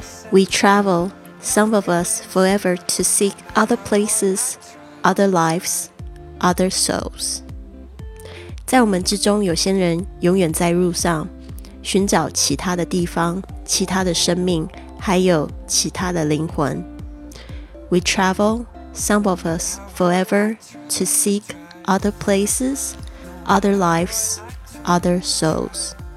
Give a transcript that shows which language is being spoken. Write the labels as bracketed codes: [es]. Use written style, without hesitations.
[en] We travel, some of us forever to seek other places, other lives, other souls. [zh] 在我们之中，有些人永远在路上，寻找其他的地方，其他的生命，还有其他的灵魂。 [en] We travel, some of us forever to seek other places, other lives, other souls.